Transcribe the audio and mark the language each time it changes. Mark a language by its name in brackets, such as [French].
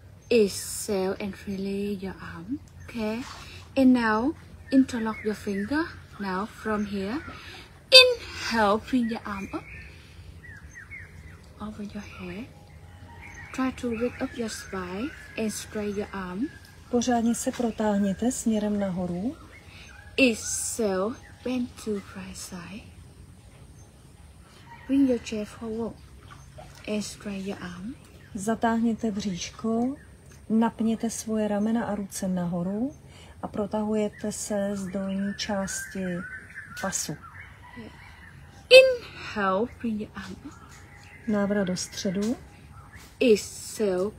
[English] Exhale and release your arm. Okay. And now interlock your finger. Now from here. Inhale, bring your arm up over your head. Try to lift up your spine and straighten your arm. [Czech] Pořádně se protáhněte směrem nahoru. [English] Exhale, bend to right side. Bring your chair forward and straighten your arm. [Czech] Zatáhněte bříško. Napněte svoje ramena a ruce nahoru a protahujete se z dolní části pasu. [English] Inhale, bring your arm. [Czech] Návrat do středu. [English] Exhale,